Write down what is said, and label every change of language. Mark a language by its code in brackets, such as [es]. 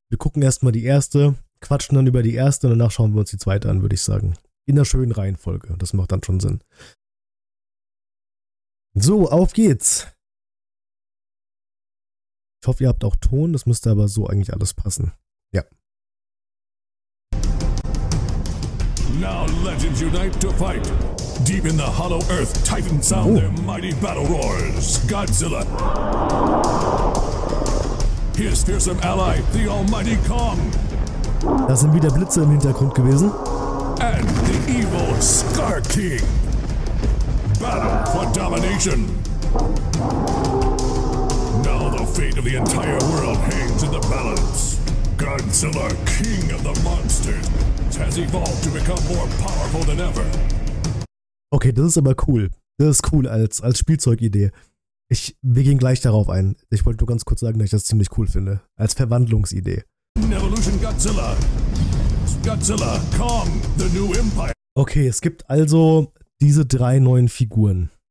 [de] Wir gucken erstmal die erste, quatschen dann über die erste und danach schauen wir uns die zweite an, würde ich sagen. In der schönen Reihenfolge, das macht dann schon Sinn. So, auf geht's. Ich hoffe, ihr habt auch Ton, das müsste aber so eigentlich alles passen. Ja. [en] Now legends unite to fight. Deep in the hollow earth, Titan sound their mighty battle roars. Godzilla. His fearsome ally, the almighty Kong. [de] Da sind wieder Blitze im Hintergrund gewesen. [en] And the evil Scar King. Battle for domination. Now the fate of the entire world hangs in the balance. Godzilla, king of the monsters, has evolved to become more powerful than ever. [de] Okay, das ist aber cool. Das ist cool als Spielzeugidee. Wir gehen gleich darauf ein. Ich wollte nur ganz kurz sagen, dass ich das ziemlich cool finde. Als Verwandlungsidee. [en] Evolution Godzilla. Godzilla, Kong, the new empire. [de] Okay, es gibt also diese drei neuen Figuren.